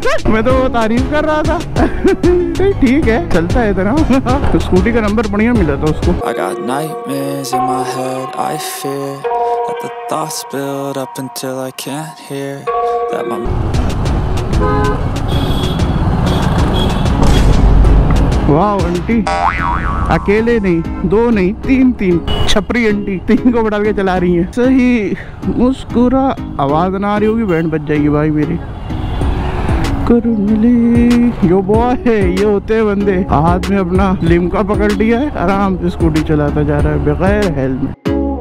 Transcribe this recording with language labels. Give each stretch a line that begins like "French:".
Hindi: मैं तो तारीफ कर रहा था। ठीक है चलता है इतना। स्कूटी का नंबर बढ़िया मिला था उसको।
English: I got nightmares in my head, I fear that the thoughts build up until I can't hear that my...
Hindi: वाह आंटी, अकेले नहीं दो नहीं तीन तीन छपरी आंटी तीन को बढ़ा के चला रही है। सही मुस्कुरा, आवाज ना आ रही होगी बैंड बज जाएगी भाई मेरी। कर मिली यो बॉय है, ये होते हैं बंदे, हाथ में अपना लिमका पकड़ लिया है, आराम से स्कूटी चलाता जा रहा है बगैर हेलमेट।